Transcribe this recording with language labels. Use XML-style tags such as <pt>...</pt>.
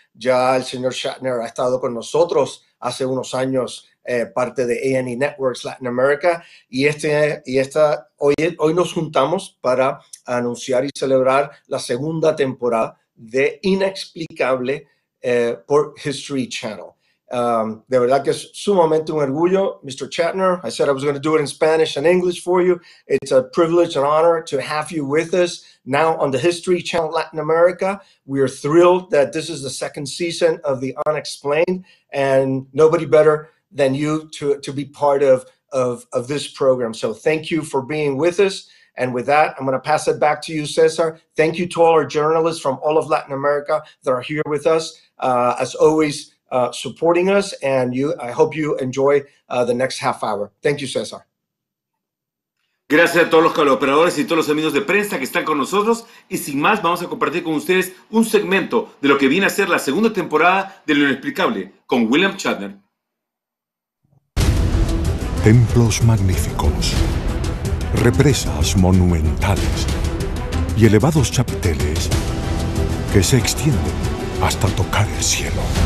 <es>Ya el señor Shatner ha estado con nosotros hace unos años, parte de A&E Networks Latin America, y hoy nos juntamos para anunciar y celebrar la segunda temporada de Inexplicable por History Channel. De verdad que es sumamente un orgullo, Mr. Shatner.</es> <en>I said I was going to do it in Spanish and English for you. It's a privilege and honor to have you with us now on the History Channel Latin America. We are thrilled that this is the second season of The Unexplained, and nobody better than you to be part of this program. So thank you for being with us. And with that, I'm going to pass it back to you, Cesar. Thank you to all our journalists from all of Latin America that are here with us. As always, supporting us, and I hope you enjoy the next half hour. Thank you, César.</en> <es>Gracias a todos los colaboradores y todos los amigos de prensa que están con nosotros, y sin más, vamos a compartir con ustedes un segmento de lo que viene a ser la segunda temporada de Lo Inexplicable con William Shatner. Templos magníficos, represas monumentales y elevados chapiteles que se extienden hasta tocar el cielo.</es>